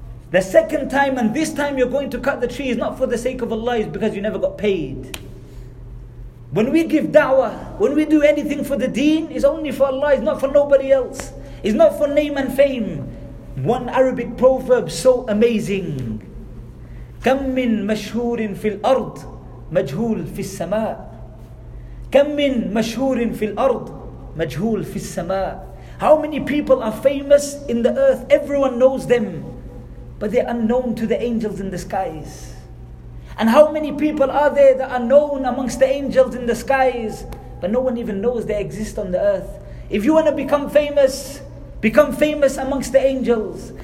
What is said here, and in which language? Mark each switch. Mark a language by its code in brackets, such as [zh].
[en] The second time and this time you're going to cut the tree is not for the sake of Allah, it's because you never got paid. When we give da'wah, when we do anything for the deen, it's only for Allah, it's not for nobody else. It's not for name and fame. One Arabic proverb, so amazing. [ar] كم من مشهور في الأرض مجهول في السماء. كم من مشهور في الأرض مجهول في السماء. [en] How many people are famous in the earth? Everyone knows them, but they are unknown to the angels in the skies. And how many people are there that are known amongst the angels in the skies, but no one even knows they exist on the earth? If you want to become famous amongst the angels.